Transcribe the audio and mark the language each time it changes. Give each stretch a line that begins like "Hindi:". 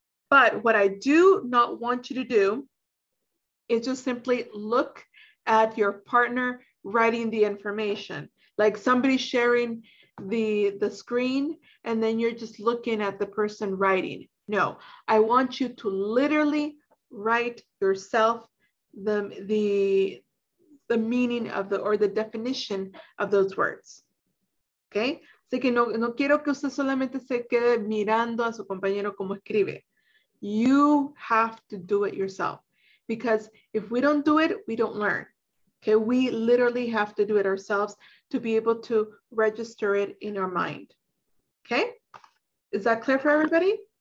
English: But what I do not want you to do is just simply look at your partner writing the information, like somebody sharing the screen, and then you're just looking at the person writing. No, I want you to literally write yourself the meaning of the definition of those words, okay?
Spanish: Así que no quiero que usted solamente se quede mirando a su compañero como escribe.
English: You have to do it yourself, because if we don't do it, we don't learn. Okay, we literally have to do it ourselves to be able to register it in our mind. Okay, Is that clear for everybody?